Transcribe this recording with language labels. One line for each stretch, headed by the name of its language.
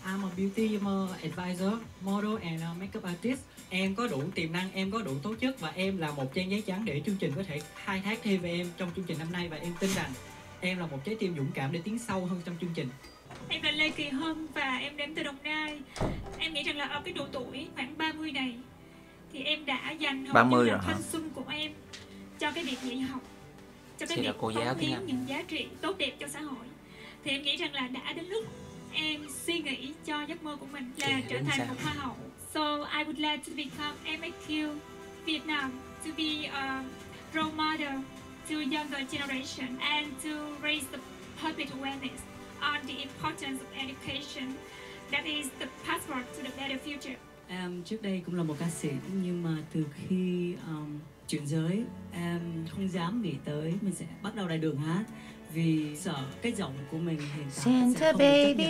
English: I'm a beauty advisor, model and makeup artist.
Vietnamese: Em có đủ tiềm năng, em có đủ tố chất và em là một trang giấy trắng để chương trình có thể khai thác thêm về em trong chương trình năm nay, và em tin rằng em là một trái tim dũng cảm để tiến sâu hơn trong chương trình. Em là Lê Kỳ Hân và em đến từ Đồng Nai. Em nghĩ rằng là ở cái độ tuổi khoảng 30 này thì em đã dành hầu như là thanh xuân của em cho cái việc dạy học, cho cái việc phát huy những giá trị tốt đẹp cho xã hội. Thì em nghĩ rằng là đã đến lúc em suy nghĩ cho giấc mơ của mình là trở thành một hoa hậu.
English: So I would like to become MAQ Vietnam, to be a role model to younger generation and to raise the public awareness on the importance of education that is the passport to the better future.
Vietnamese: Em trước đây cũng là một ca sĩ, nhưng mà từ khi chuyển giới em không dám nghĩ tới mình sẽ bắt đầu lại đường hát vì sợ cái giọng của mình hiện tại Santa sẽ không baby.